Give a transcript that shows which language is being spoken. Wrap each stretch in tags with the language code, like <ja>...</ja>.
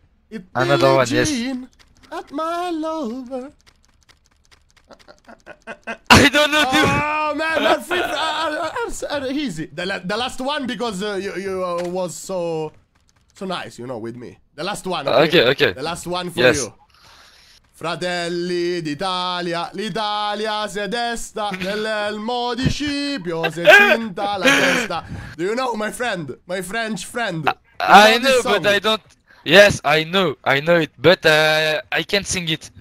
<en>It's another one, yes. At my lover. I don't know, dude. Oh, man, easy. The last one, because you was so nice, you know, with me. The last one. Okay. The last one for you.</en> <it>Fratelli d'Italia, l'Italia si è desta, nell'elmo di Scipio si è cinta la testa.</it> <en>Do you know, my French friend? I know, but I don't... Yes, I know it, but I can't sing it.</en>